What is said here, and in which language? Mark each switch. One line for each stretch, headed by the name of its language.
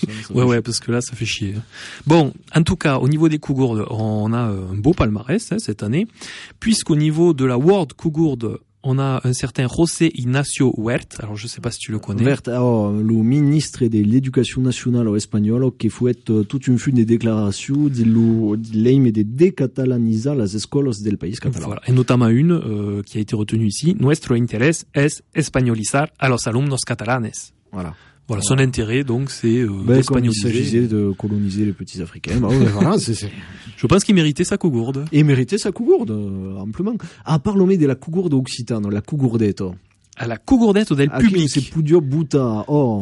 French: Ouais, parce que là, ça fait chier. Bon, en tout cas, au niveau des Cougourdes, on a un beau palmarès hein, cette année, puisqu'au niveau de la World Cougourde, on a un certain José Ignacio Huert. Alors, je ne sais pas si tu le connais. Huert, le ministre de l'Éducation nationale espagnole, qui fait toute une fune des déclarations, de décatalaniser les écoles du pays catalan. Voilà. Et notamment une qui a été retenue ici.
Spanish: Nuestro interés es españolizar a los alumnos catalanes.
French: Voilà. Voilà, son intérêt, donc, c'est d'espagnoliser. Comme il s'agissait de coloniser les petits Africains. Bah, ouais, voilà, c'est... Je pense qu'il méritait sa cougourde. Il méritait sa cougourde, amplement. À part l'homme de la cougourde occitane, la cougourdette. À la cougourdette del public. C'est Pudio Buta. Oh.